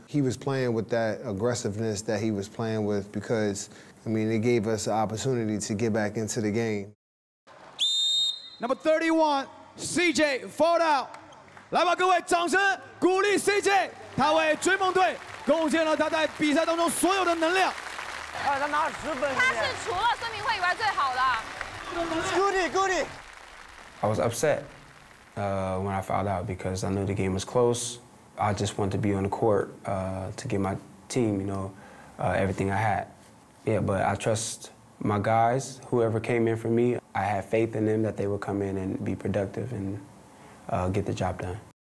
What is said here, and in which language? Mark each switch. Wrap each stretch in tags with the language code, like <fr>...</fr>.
<en>He was playing with that aggressiveness that he was playing with because, I mean, it gave us an opportunity to get back into the game. Number 31, CJ fall out.</en> <zh>来吧，各位，掌声鼓励 CJ， 他为追梦队贡献了他在比赛当中所有的能量。哎，他拿了10分。他是除了孙铭徽以外最好的。</zh> <en>Goody。 I was upset, when I fouled out because I knew the game was close. I just wanted to be on the court, to give my team, you know, everything I had. Yeah, but I trust my guys. Whoever came in for me, I had faith in them that they would come in and be productive and, get the job done.</en>